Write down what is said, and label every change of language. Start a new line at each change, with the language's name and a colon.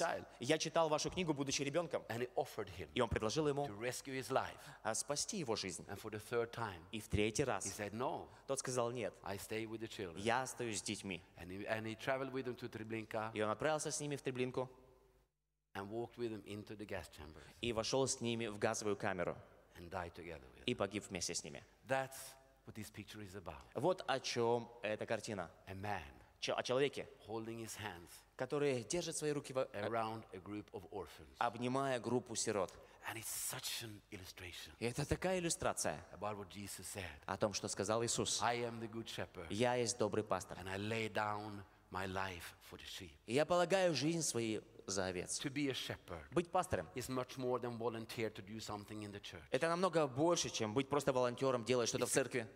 English: A child.
Russian: Я читал вашу книгу, будучи ребенком.
English: And he offered him.
Russian: И он предложил ему.
English: To rescue his life.
Russian: Спасти его жизнь.
English: And for the third time.
Russian: И в третий раз.
English: He said no.
Russian: Тот сказал нет.
English: I stay with the children.
Russian: Я остаюсь с детьми.
English: And he traveled with them to Treblinka.
Russian: И он отправился с ними в Треблинку.
English: And walked with them into the gas chambers.
Russian: И вошел с ними в газовую камеру.
English: And died together with
Russian: them. И погиб вместе с ними.
English: That's what this picture is about.
Russian: Вот о чем эта картина.
English: A man.
Russian: О человеке,
English: holding his hands,
Russian: который держит свои руки
English: around a group of orphans,
Russian: обнимая группу сирот.
English: And it's such an illustration.
Russian: И это такая иллюстрация
English: about what Jesus said.
Russian: О том, что сказал Иисус.
English: I am the good shepherd.
Russian: Я есть добрый пастор.
English: And I lay down my life for the sheep.
Russian: И я полагаю жизнь свою за овец.
English: To be a shepherd.
Russian: Быть пастором.
English: Is much more than volunteer to do something in the church.
Russian: Это намного больше, чем быть просто волонтером, делать что-то в церкви.